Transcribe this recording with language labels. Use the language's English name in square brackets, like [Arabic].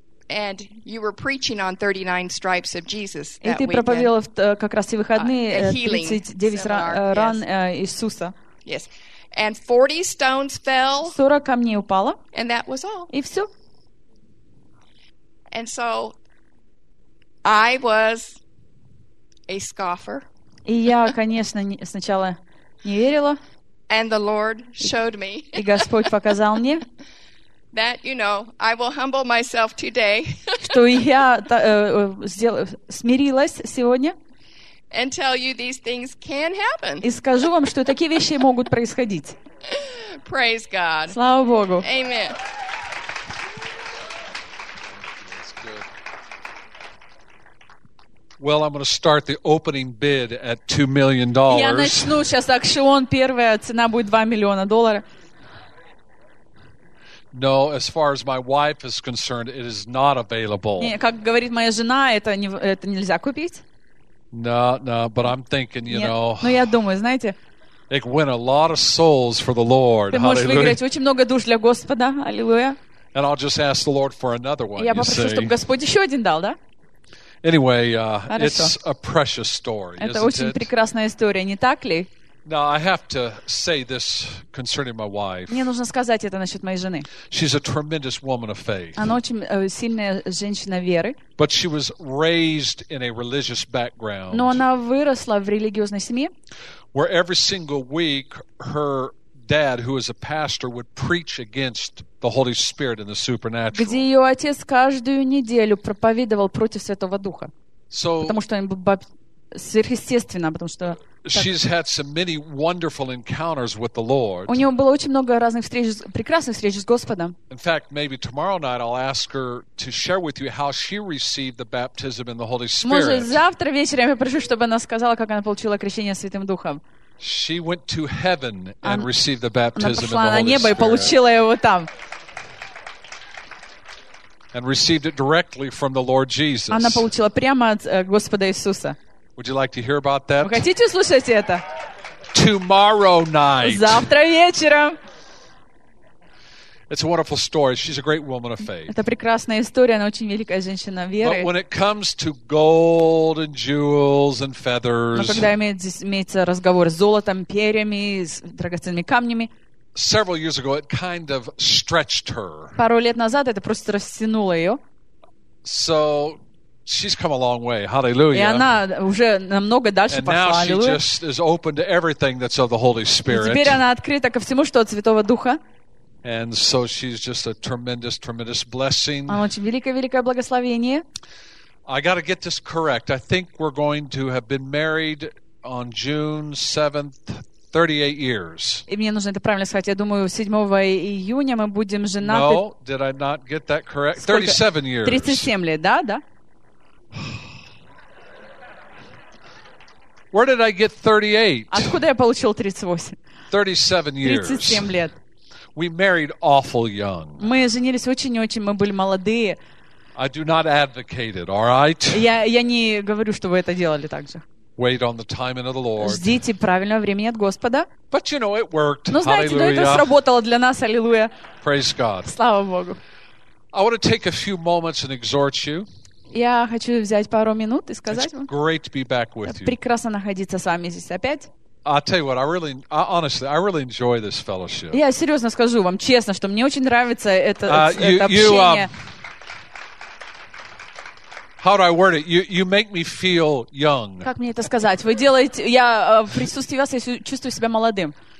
[English] And you were preaching on 39 stripes of Jesus that weekend. [Russian] И ты проповедовал как раз в выходные 39 ран Иисуса. [English] Yes. And 40 stones fell. [Russian] 40 камней упало. [English] And that was all. [Russian] И все. [English] And so I was a scoffer. [Russian] И я, конечно, сначала не верила. [English] And the Lord showed me. [Russian] И Господь показал мне. [English] That, you know, I will humble myself today. [Russian] Что я смирилась сегодня. [English] And tell you these things can happen. [Russian] И скажу вам, что такие вещи могут происходить. [English] Praise God. [Russian] Слава Богу. [English] Amen. Well, I'm going to start the opening bid at $2 million. [Russian] Я начну сейчас аукцион. Первая цена будет $2 million. [English] No, as far as my wife is concerned, it is not available. [Russian] Не, как говорит моя жена, это нельзя купить. [English] No, but I'm thinking, you know. [Russian] Но я думаю, знаете. [English] It win a lot of souls for the Lord. [Russian] Ты можешь выиграть очень много душ для Господа. Аллилуйя. [English] And I'll just ask the Lord for another one. [Russian] Я попрошу, чтобы Господь еще один дал, да? [English] Anyway, it's a precious story. [Russian] Это очень прекрасная история, не так ли? [English] Now I have to say this concerning my wife. [Russian] Мне нужно сказать это насчет моей жены. [English] She's a tremendous woman of faith. [Russian] Она очень сильная женщина веры. [English] But she was raised in a religious background. [Russian] Но она выросла в религиозной семье. [English] Where every single week her dad, who is a pastor, would preach against the Holy Spirit and the supernatural. [Russian] Где ее отец каждую неделю проповедовал против Святого Духа. [English] So, [Russian] потому что сверхъестественно, потому что [English] she's had so many wonderful encounters with the Lord. [Russian] У нее было очень много разных встреч, прекрасных встреч с Господом. [English] In fact, maybe tomorrow night I'll ask her to share with you how she received the baptism in the Holy Spirit. [Russian] Может, завтра вечером я попрошу, чтобы она сказала, как она получила крещение Святым Духом. [English] She went to heaven and received the baptism in the Holy [Russian] Она пошла на небо и получила его там. [English] And received it directly from the Lord Jesus. [Russian] Она получила прямо от Господа Иисуса. [English] Would you like to hear about that? [Russian] Вы хотите услышать это? [English] Tomorrow night. [Russian] Завтра вечером. [English] It's a wonderful story. She's a great woman of faith. [Russian] Это прекрасная история, она очень великая женщина веры. [English] But when it comes to gold and jewels and feathers. [Russian] Но когда имеется разговор с золотом, перьями, с драгоценными камнями. [English] Several years ago it kind of stretched her. [Russian] Пару лет назад это просто растянуло ее. [English] So she's come a long way. Hallelujah. [Russian] И она уже намного дальше пошла. [English] And now she just is open to everything that's of the Holy Spirit. [Russian] И теперь она открыта ко всему, что от Святого Духа. [English] And so she's just a tremendous, tremendous blessing. [Russian] Она очень великое, великое благословение. [English] I got to get this correct. I think we're going to have been married on June 7th, 38 years. [Russian] И мне нужно это правильно сказать. Я думаю, 7 июня мы будем женаты. [English] No, did I not get that correct? 37 years. [Russian] 37 лет, да, да. [English] Where did I get 38? [Russian] Откуда я получил 38? [English] 37 years. [Russian] 37 лет. [English] We married awful young. [Russian] Мы женились очень-очень, мы были молодые. [English] I do not advocate it, all right? [Russian] Я не говорю, что вы это делали так же. [English] Wait on the timing of the Lord. [Russian] Ждите правильного времени от Господа. [English] But you know, it worked. [Russian] Но знаете, но это сработало для нас, аллилуйя. [English] Praise God. [Russian] Слава Богу. [English] I want to take a few moments and exhort you. [Russian] Я хочу взять пару минут и сказать [English] It's great to be back with you. [Russian] Прекрасно находиться с вами здесь опять. [English] I'll tell you what, I really enjoy this fellowship. [Russian] Я серьезно скажу вам честно, что мне очень нравится это общение. [English] How do I word it? You make me feel young. [Russian] Как мне это сказать? Вы делаете, я в присутствии вас я чувствую себя молодым.